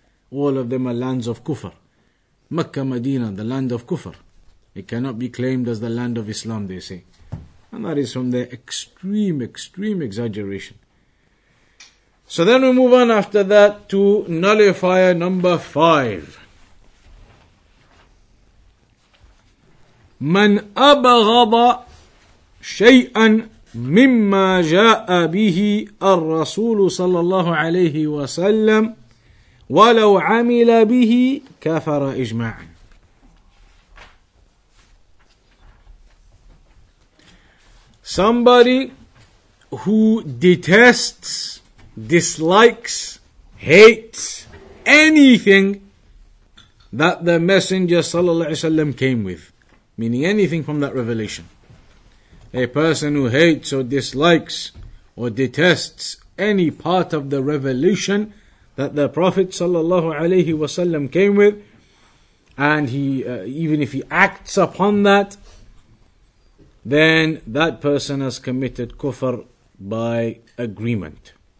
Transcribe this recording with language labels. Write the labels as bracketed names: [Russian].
[English] All of them are lands of kufr. Mecca, Medina, the land of kufr. It cannot be claimed as the land of Islam, they say. And that is from their extreme, extreme exaggeration. So then we move on after that to nullifier number 5. [Arabic] من أبغض شيئا مما جاء به الرسول صلى الله عليه وسلم ولو عمل به كفر إجماعا. [English] Somebody who detests, dislikes, hates anything that the Messenger صلى الله عليه وسلم came with. Meaning anything from that revelation. A person who hates or dislikes or detests any part of the revelation that the Prophet sallallahu alaihi wasallam came with, and he even if he acts upon that, then that person has committed kufr by agreement.